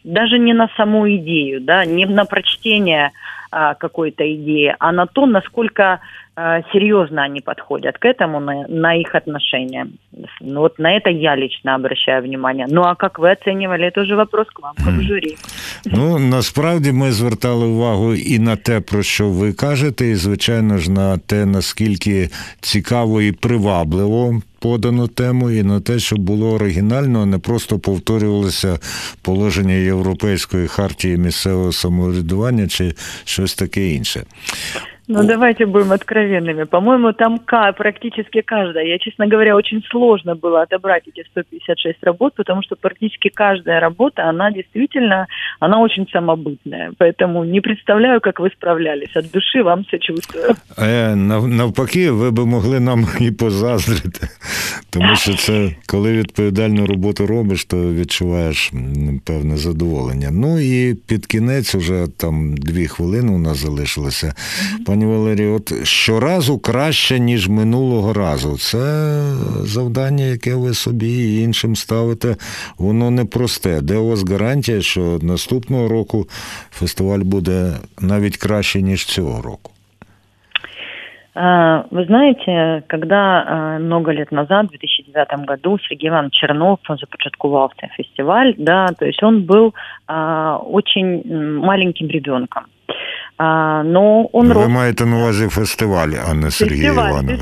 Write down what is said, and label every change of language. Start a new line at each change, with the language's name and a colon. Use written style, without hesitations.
Russian: Даже не на саму идею, да, не на прочтение какой-то идеи, а на то, насколько серьезно они подходят к этому, на их отношения. Ну, вот на это я лично обращаю внимание. Ну, а как вы оценивали, это уже вопрос к вам, как жюри.
Ukrainian: Ну, насправді ми звертали увагу і на те, про що ви кажете, і, звичайно ж, на те, наскільки цікаво і привабливо подано тему, і на те, щоб було оригінально, а не просто повторювалося положення Європейської хартії місцевого самоврядування чи щось таке інше.
Russian: Ну, давайте будем откровенными. По-моему, там практически каждая. Я, честно говоря, очень сложно было отобрать эти 156 работ, потому что практически каждая работа, она действительно, она очень самобытная. Поэтому не представляю, как вы справлялись. От души вам сочувствую.
Ukrainian: Навпаки,
Russian: вы бы
Ukrainian: могли нам и позаздрити. Тому що це, коли відповідальну роботу робиш, то відчуваєш певне задоволення. Ну і під кінець, уже там 2 хвилини у нас залишилося. Пані Валерію, от щоразу краще, ніж минулого разу. Це завдання, яке ви собі і іншим ставите, воно непросте. Де у вас гарантія, що наступного року фестиваль буде навіть краще, ніж цього року?
Russian: Вы знаете, когда много лет назад, в 2009 году, Сергей Иванович Чернов започатковал фестиваль, да, то есть он был очень маленьким ребенком. Но он рос... Вы имеете
Ukrainian: на увазе
Russian: фестиваль, а не Сергей Иванович.